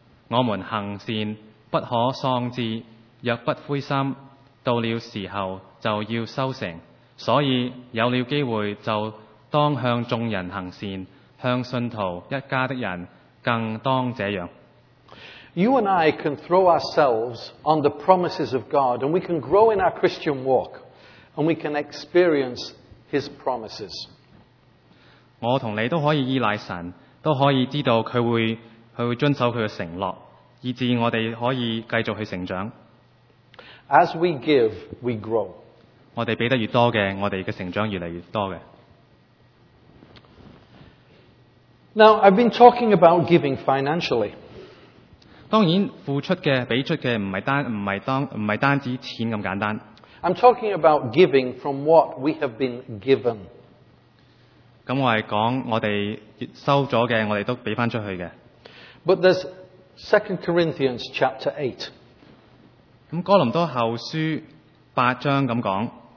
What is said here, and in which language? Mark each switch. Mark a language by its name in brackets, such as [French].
[Chinese] 我們行善，不可喪志，若不灰心，到了時候就要收成。所以有了機會，就當向眾人行善，向信徒一家的人更當這樣。 [English] You and I can throw ourselves on the promises of God, and we can grow in our Christian walk, and we can experience His promises. [Chinese] 我和你都可以依賴神，都可以知道他会遵守他的承諾，以致我們可以繼續去成長。 [English] As we give, we grow. [Chinese] 我們給得越多的，我們的成長越來越多的。 [English] Now, I've been talking about giving financially. [Chinese] 當然付出的、給出的不是單止錢那麼簡單。 [English] I'm talking about giving from what we have been given. [Chinese] 那我是說我們收了的，我們都給出去的。 [English] But there's 2 Corinthians chapter 8. [Chinese] 那哥林多後書八章這樣說。